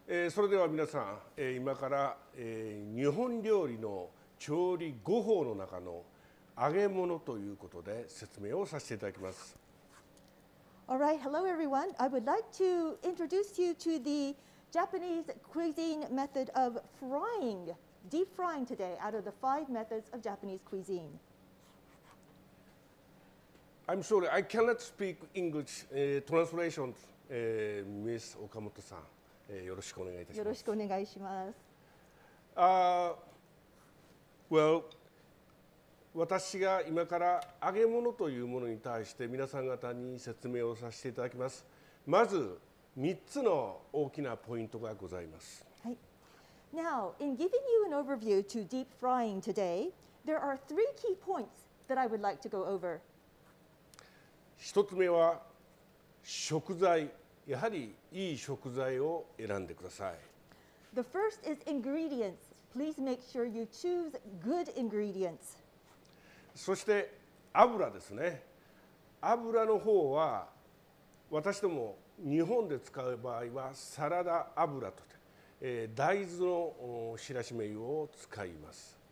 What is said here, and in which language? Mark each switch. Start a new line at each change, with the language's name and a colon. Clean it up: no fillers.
Japanese: それでは皆さん、今から、日本料理の調理語法の中の揚げ物ということで説明をさせていただきます。
English: All right, hello everyone. I would like to introduce you to the Japanese cuisine method of frying, deep frying today out of the five methods of Japanese cuisine. I'm sorry, I cannot speak English translation, Ms. Okamoto-san.
Japanese: よろしくお願いいたします。よろしくお願いします。私が今から揚げ物というものに対して皆さん方に説明をさせていただきます。まず3つの大きなポイントがございます。はい。
English: Now, in giving you an overview to deep frying today, there are three key points that I would like to go over.
Japanese: 1つ目は食材。やはりいい食材を選んでください。
English: The first is ingredients. Please make sure you choose good ingredients.
Japanese: そして油ですね。油の方は私ども日本で使う場合はサラダ油と、大豆の白しめ油を使います。